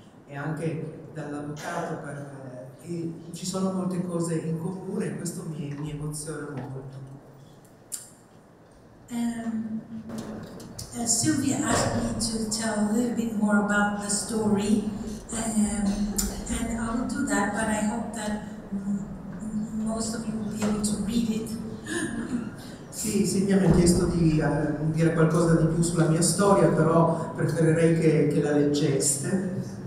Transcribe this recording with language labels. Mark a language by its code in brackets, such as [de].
[it] Anche dall'avvocato, perché ci sono molte cose in comune e questo mi emoziona molto. [en] Sylvia asked me to tell a little bit more about the story, and I will do that, but I hope that most of you will be able to read it. [it] Sì, Silvia mi ha chiesto di dire qualcosa di più sulla mia storia, però preferirei che la leggeste.